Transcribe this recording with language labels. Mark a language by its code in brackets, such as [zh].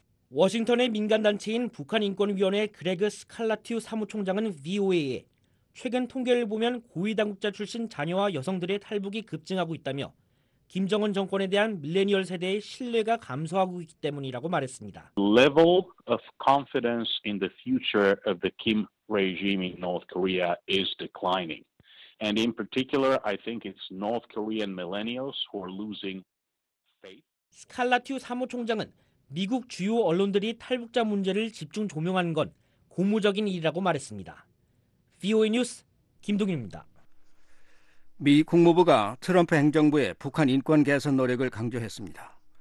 [ko] 워싱턴의 민간단체인 북한인권위원회 그레그 스칼라티우 사무총장은 VOA에 최근 통계를 보면 고위당국자 출신 자녀와 여성들의 탈북이 급증하고 있다며 김정은 정권에 대한 밀레니얼 세대의 신뢰가 감소하고 있기 때문이라고 말했습니다. [en] Level of confidence in the future of the Kim regime in North Korea is declining. And in particular, I think it's North Korean millennials who are losing faith. [ko] 스칼라티우 사무총장은 미국 주요 언론들이 탈북자 문제를 집중 조명하는 건 고무적인 일이라고 말했습니다. VOA 뉴스 김동윤입니다. 미 국무부가 트럼프 행정부의 북한 인권 개선 노력을 강조했습니다.